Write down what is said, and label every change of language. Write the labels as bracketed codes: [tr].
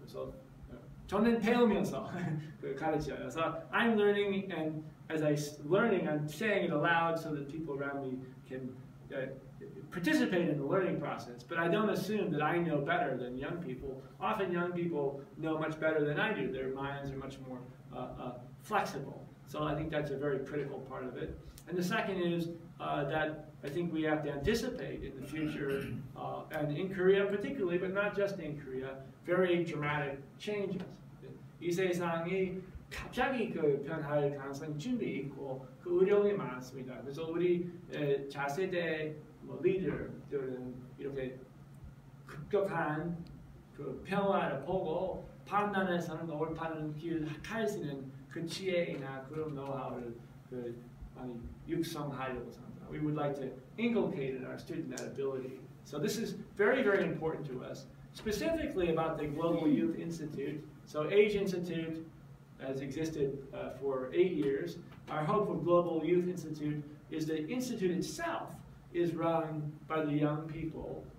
[ko] So 저는 배우면서 가르쳐요. [en] So I'm learning, and as I'm learning, I'm saying it aloud so that people around me can participate in the learning process. But I don't assume that I know better than young people. Often young people know much better than I do. Their minds are much more flexible. So I think that's a very critical part of it. And the second is that I think we have to anticipate in the future, and in Korea particularly, but not just in Korea, very dramatic changes. [ko] 이 세상이 갑자기 그 변할 가능성 준비 있고 그 우려가 많습니다. 그래서 우리 차세대 뭐 리더들은 이렇게 급격한 그 변화를 보고 판단해서는 옳다는 길을 갈 수 있는 그 지혜이나 그런 노하우를 그 많이 육성하려고 합니다. [en] We would like to inculcate in our student that ability. So this is very, very important to us, specifically about the Global Youth Institute. So Age Institute has existed for 8 years. Our hope for Global Youth Institute is the institute itself is run by the young people.